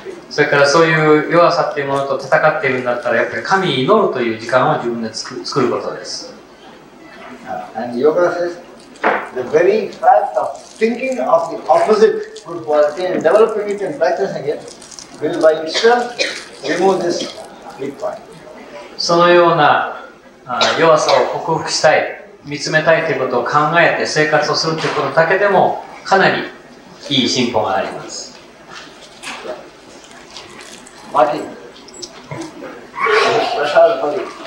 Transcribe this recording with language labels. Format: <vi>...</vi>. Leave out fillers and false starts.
<ja>それからそういう弱さっていうものと戦っているんだったらやっぱり神に祈るという時間を自分で作ることです。</ja> <en>And yoga says the very fact of thinking of the opposite good quality and developing it and practicing it will by itself remove this weak point.</en> <ja>そのような弱さを克服したい、見つめたいということを考えて生活をするということだけでもかなりいい進歩があります。マティ、スペシャルポリー。</ja>